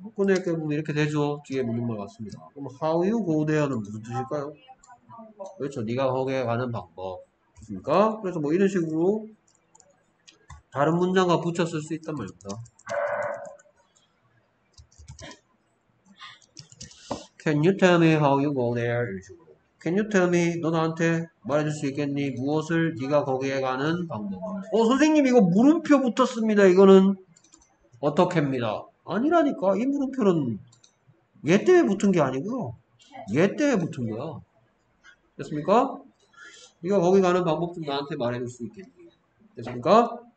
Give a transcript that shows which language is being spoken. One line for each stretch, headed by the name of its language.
Korean: 꺼낼게 보면 이렇게 되죠. 뒤에 묻는 말 같습니다. 그럼 how you go there 는 무슨 뜻일까요? 그렇죠. 네가 거기에 가는 방법. 그러니까 그래서 뭐 이런 식으로 다른 문장과 붙였을 수 있단 말입니다.
English: Can you tell me how you go there? Can you tell me?
Korean: 너 나한테 말해줄 수 있겠니? 무엇을 네가 거기에 가는 방법을? 선생님 이거 물음표 붙었습니다. 이거는 어떻게입니다. 아니라니까. 이 물음표는 얘 때문에 붙은 게 아니고요. 얘 때문에 붙은 거야. 됐습니까? 네가 거기 가는 방법 좀 나한테 말해줄 수 있겠니? 됐습니까?